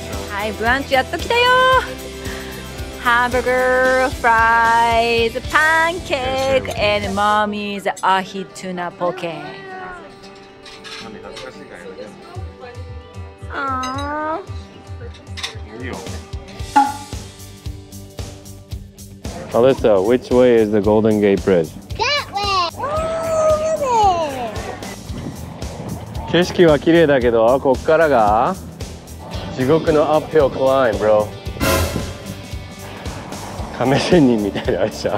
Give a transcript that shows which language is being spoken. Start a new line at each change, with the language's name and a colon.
Japanese: はい、ブランチやっと来たよ。ハンバーガー、フライズ、パンケーキ、エンドマミーズアヒチュナポケ。
English: あAlyssa, which way is the Golden Gate Bridge? That way! Oh, the way!
Japanese: 景色は綺麗だけど、こっからが地獄のアップヒルクライム、bro. 亀仙人みたいな、あれじゃん。